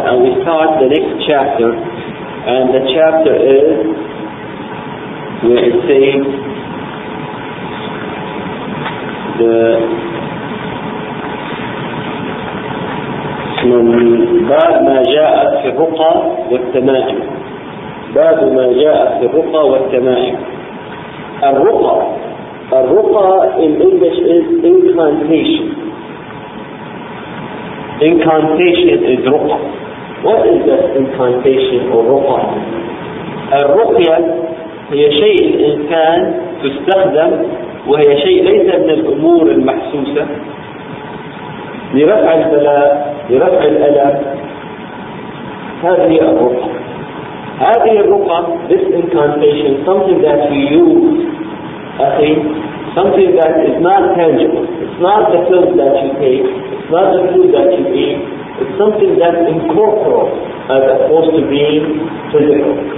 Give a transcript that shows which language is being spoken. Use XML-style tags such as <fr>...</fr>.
<en>And we start the next chapter. And the chapter is where it says the</en> <ar>من باب ما جاء في الرقى والتمائم. باب ما جاء في الرقى والتمائم.</ar> <en>الرقى، الرقى in English is incantation. Incantation is رقى. What is that incantation or</en> <ar>رقى؟ الرقية هي شيء الإنسان تستخدم، وهي شيء ليس من الأمور المحسوسة، لرفع البلاء، لرفع الألم. هذه الرقى. هذه الرقى،</ar> <en>this incantation, something that we use, أخي, something that is not tangible. It's not the pills that you take, it's not the food that you eat, it's something that's incorporeal as opposed to being physical.</en>